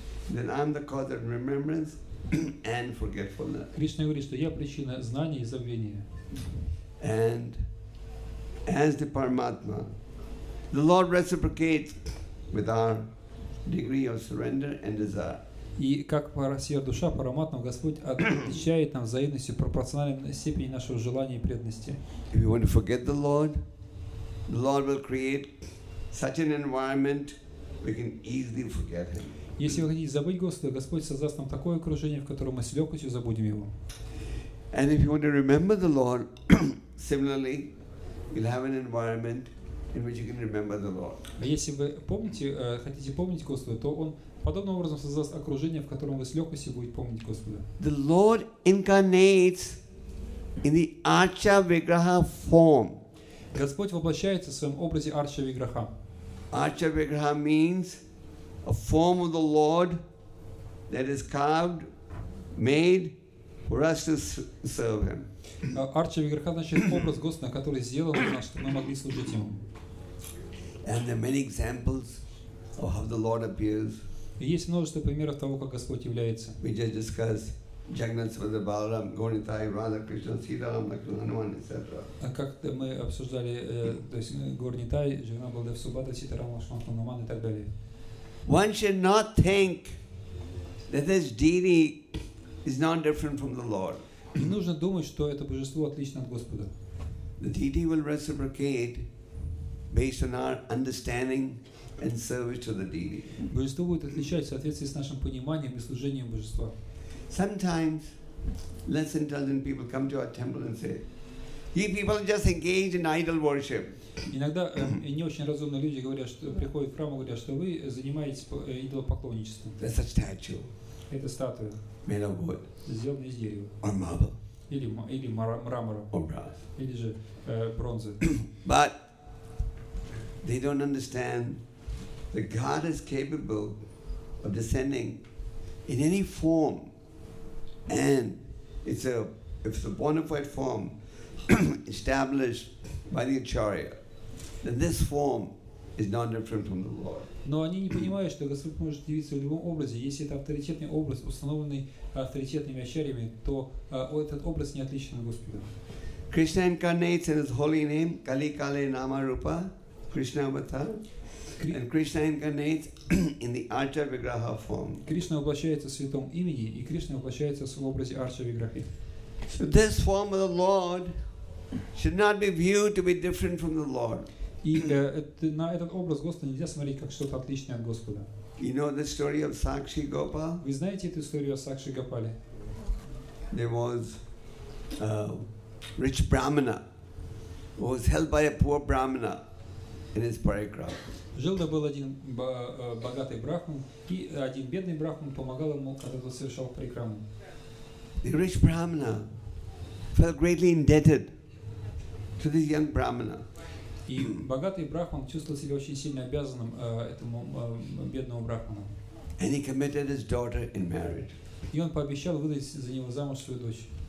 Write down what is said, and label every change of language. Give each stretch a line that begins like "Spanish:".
English: Then I'm the cause of remembrance and forgetfulness.
Russian: Кришна говорит, что я причина знания и забвения.
English: And as the Paramatma, the Lord reciprocates with our degree of surrender and desire.
Russian: И как Сверхдуша, Параматма, Господь отвечает нам взаимностью пропорциональной степени нашего желания и преданности.
English: If we want to forget the Lord will create such an environment we can easily forget Him.
Russian: Если вы хотите забыть Господа, Господь создаст нам такое окружение, в котором мы с легкостью забудем Его.
English: And if you want to remember the Lord, similarly, you'll have an environment in which you can remember the Lord.
Russian: Если вы помните, хотите помнить Господа, то Он подобным образом создаст окружение, в котором вы с легкостью будете помнить Господа.
English: The Lord incarnates in the Archa Vigraha form.
Russian: Господь воплощается в своем образе Арча Виграха.
English: Archa Vigraha means a form of the Lord that is carved, made for us to serve Him.
Russian: Арча Виграха значит образ Господа, который сделан для нас, чтобы мы могли служить Ему.
English: And there are many examples of how the Lord appears.
Russian: Есть множество примеров того, как Господь является.
English: We just discussed Jagannath Swarup Balaram, Gaurinathai, Radha Krishna, Sita Ram, Lakshmana, Hanuman, etc.
Russian: А как мы обсуждали, то есть Gaurinathai, Jagannath Balaram, Subhadra, Sita Ram, Lakshmana, Hanuman и так далее.
English: One should not think that this deity is not different from the Lord.
Russian: Не нужно думать, что это божество отлично от Господа.
English: The deity will reciprocate based on our understanding and service to the deity.
Russian: Божество будет отличаться в соответствии с нашим пониманием и служением божества.
English: Sometimes less intelligent people come to our temple and say, "You people just engage in idol worship."
Russian: Иногда не очень разумные люди говорят, что приходят в храм и говорят, что вы занимаетесь идолопоклонничеством.
English: That's a statue.
Russian: Это статуя.
English: Made of wood.
Russian: Сделана из дерева.
English: Or marble.
Russian: Или мрамора.
English: Or brass.
Russian: Или же бронзы.
English: But they don't understand that God is capable of descending in any form, and if it's a bona fide form established by the Acharya, then this form is not different from the Lord.
Russian: Но они не понимают, что Господь может явиться в любом образе. Если это авторитетный образ, установленный авторитетными Ачарьями, то этот образ не отличен от Господа.
English: Krishna incarnates in His holy name,
Sanskrit: Kali Kale Nama Rupa.
English: Krishna avatar, and Krishna incarnates in the Archa Vigraha form.
Russian: Krishna воплощается в святом имени, и Кришна воплощается в образе Арча Виграхи.
English: So this form of the Lord should not be viewed to be different from the Lord.
Russian: И на этот образ Господа нельзя смотреть как что-то отличное от Господа.
English: You know the story of Sakshi Gopal?
Russian: Вы знаете эту историю о Сакши Гопале?
English: There was a rich Brahmana who was held by a poor Brahmana. In his parikrama.
Russian: Жил да был один богатый брахман, и один бедный брахман помогал ему, когда тот совершал парикраму.
English: The rich brahmana felt greatly indebted to this young brahmana.
Russian: И богатый брахман чувствовал себя очень сильно обязанным этому бедному брахману.
English: And he committed his daughter in marriage.
Russian: И он пообещал выдать за него замуж свою дочь.